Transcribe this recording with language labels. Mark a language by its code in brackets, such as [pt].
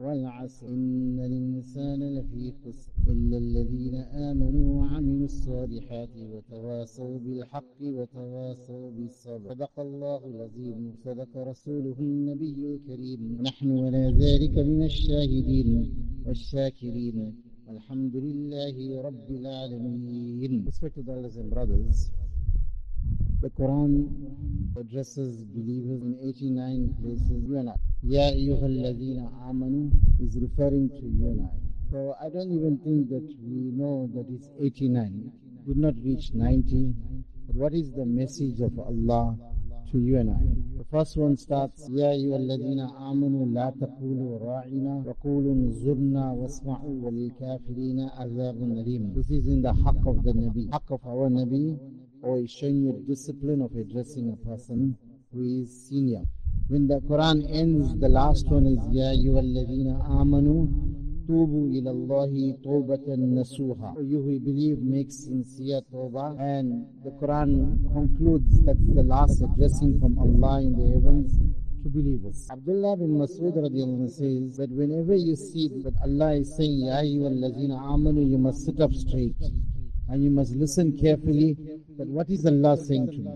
[ar] والعصر، إن الإنسان لفي خسر، إلا الذين آمنوا وعملوا الصالحات وتواصوا بالحق وتواصوا بالصبر. صدق الله العظيم، صدق رسوله النبي الكريم. نحن ولا ذلك من الشاهدين والشاكرين. Alhamdulillah, Rabbil Alameen. [en] Respected elders and brothers, the Quran addresses believers in 89 places. You and I. Ya ayyuhal ladhina amanu is referring to you and I. So I don't even think that we know that it's 89. Did not reach 90. But what is the message of Allah to you and I? The first one starts, [ar] يَا أَيُّهَا الَّذِينَ آمَنُوا لَا تَقُولُوا رَاعِنَا وَقُولُوا انظُرْنَا وَاسْمَعُوا وَلِلْكَافِرِينَ عَذَابٌ أَلِيمٌ. [en] This is in the haqq of the Nabi. Haqq of our Nabi, or is showing you discipline of addressing a person who is senior. When the Quran ends, the last one is, [ar] يَا أَيُّهَا الَّذِينَ آمَنُوا تُوبُوا إِلَى اللَّهِ تَوْبَةً نَسُوحًا. [en] So you who believe make sincere tawbah. And the Quran concludes that's the last addressing from Allah in the heavens to believers. Abdullah bin Mas'ud radiallahu anhu says that whenever you see that Allah is saying, [ar] يَا أَيُّهَا الَّذِينَ آمَنُوا, [en] you must sit up straight and you must listen carefully that what is Allah saying to me.